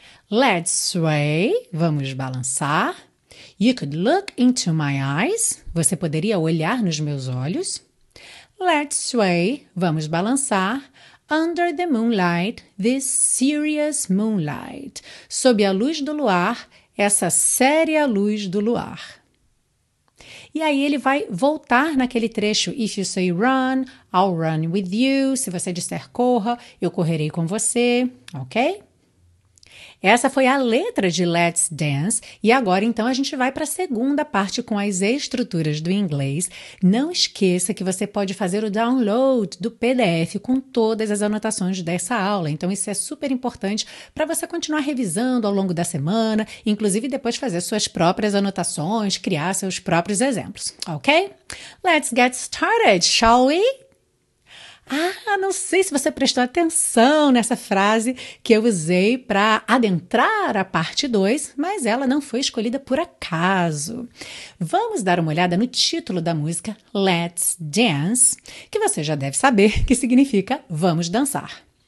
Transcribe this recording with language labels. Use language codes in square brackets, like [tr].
[en] Let's sway, [pt] vamos balançar. [en] You could look into my eyes, [pt] você poderia olhar nos meus olhos. [en] Let's sway, [pt] vamos balançar, [en] under the moonlight, this serious moonlight, [pt] sob a luz do luar, essa séria luz do luar. E aí ele vai voltar naquele trecho. [en] If you say run, I'll run with you. [pt] Se você disser corra, eu correrei com você. Ok? Essa foi a letra de Let's Dance. E agora, então, a gente vai para a segunda parte com as estruturas do inglês. Não esqueça que você pode fazer o download do PDF com todas as anotações dessa aula. Então, isso é super importante para você continuar revisando ao longo da semana, inclusive depois fazer suas próprias anotações, criar seus próprios exemplos, ok? [en] Let's get started, shall we? [pt] Ah, não sei se você prestou atenção nessa frase que eu usei para adentrar a parte 2, mas ela não foi escolhida por acaso. Vamos dar uma olhada no título da música Let's Dance, que você já deve saber que significa vamos dançar.